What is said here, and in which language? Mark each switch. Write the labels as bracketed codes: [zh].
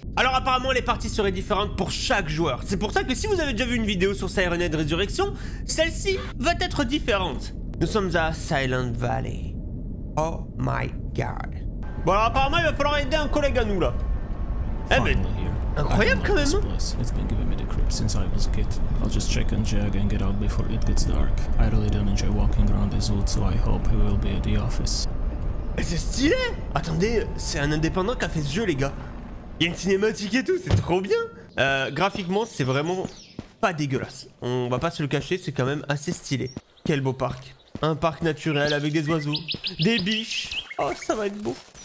[fr] Alors apparemment, les parties seraient différentes pour chaque joueur. C'est pour ça que si vous avez déjà vu une vidéo sur Sirenhead Resurrection, celle-ci va être différente. Nous sommes à Silent Valley. [en] Oh my god. [fr] Bon alors apparemment, il va falloir aider un collègue à nous là. Incroyable quand même. [en] It's been giving me the creeps since I was a kid. I'll just check on Jag and get out before it gets dark. I really don't enjoy walking around this wood, so I hope he will be at the office. [fr] C'est stylé. Attendez, c'est un indépendant qui a fait ce jeu les gars. Il y a une cinématique et tout, c'est trop bien. Graphiquement, c'est vraiment pas dégueulasse. On va pas se le cacher, c'est quand même assez stylé. Quel beau parc. Un parc naturel avec des oiseaux, des biches. Oh, ça va être beau.